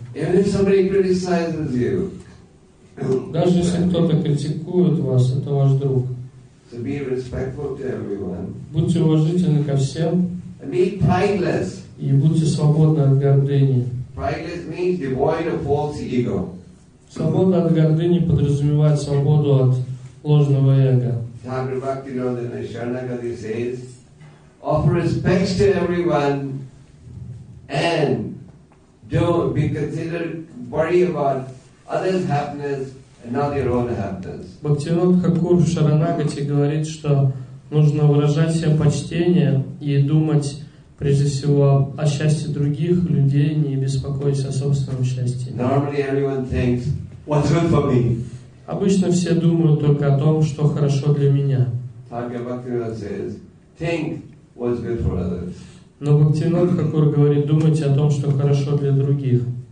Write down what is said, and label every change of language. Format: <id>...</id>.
<ru>Даже если кто-то критикует вас, это ваш друг.</ru> <en>So be respectful to everyone.</en> <ru>Будьте уважительны ко всем.</ru> <en>And be prideless.</en> <ru>И будьте свободны от гордыни.</ru> <en>Prideless means devoid of false ego.</en> <ru>Свобода от гордыни подразумевает свободу от ложного эго.</ru> <en>Thakur Bhaktivinoda Sharanagati says, offer respects to everyone and don't be considered worried about others' happiness and not your own happiness.</en> <ru>Бхактивинод Хакур в Шаранагати говорит, что нужно выражать всем почтение и думать прежде всего о счастье других людей, не беспокоясь о собственном счастье.</ru> <en>Normally everyone thinks, what's good for me?</en> <ru>Обычно все думают только о том, что хорошо для меня.</ru> <en>Thakur Bhaktivinoda says, think what's good for others.</en> <ru>Но Бхактивинод Хакур говорит, думайте о том, что хорошо для других.</ru>